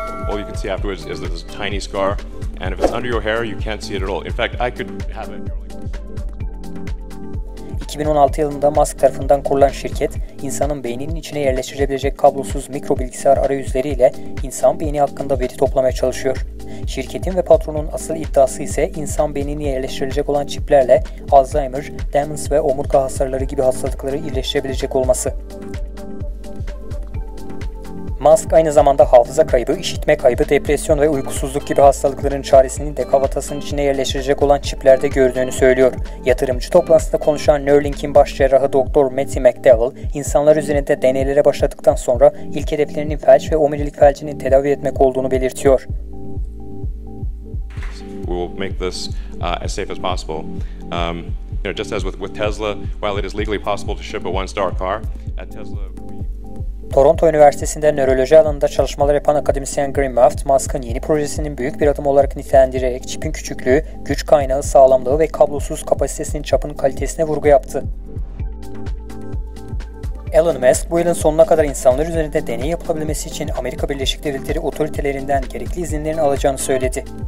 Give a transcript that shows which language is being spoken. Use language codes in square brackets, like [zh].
[en] All you can see afterwards is this tiny scar, and if it's under your hair, you can't see it at all. In fact, I could have it. [tr] 2016 yılında Musk tarafından kurulan şirket, insanın beyninin içine yerleştirilebilecek kablosuz mikro bilgisayar arayüzleriyle insan beyni hakkında veri toplamaya çalışıyor. Şirketin ve patronun asıl iddiası ise insan beynine yerleştirilecek olan çiplerle Alzheimer, demans ve omurga hasarları gibi hastalıkları iyileştirebilecek olması. Musk aynı zamanda hafıza kaybı, işitme kaybı, depresyon ve uykusuzluk gibi hastalıkların çaresini de kafatasının içine yerleştirecek olan çiplerde gördüğünü söylüyor. Yatırımcı toplantısında konuşan Neuralink'in baş cerrahı Dr. Matthew McDowell, insanlar üzerinde deneylere başladıktan sonra ilk hedeflerinin felç ve omurilik felcini tedavi etmek olduğunu belirtiyor. [en] We will make this as safe as possible. You know, just as with Tesla, while it is legally possible to ship a one-star car, at Tesla... [tr] Toronto Üniversitesi'nde nöroloji alanında çalışmalar yapan akademisyen Greenmaft, Musk'ın yeni projesinin büyük bir adım olarak nitelendirerek çipin küçüklüğü, güç kaynağı, sağlamlığı ve kablosuz kapasitesinin çapının kalitesine vurgu yaptı. Elon Musk, bu yılın sonuna kadar insanlar üzerinde deney yapılabilmesi için Amerika Birleşik Devletleri otoritelerinden gerekli izinlerini alacağını söyledi.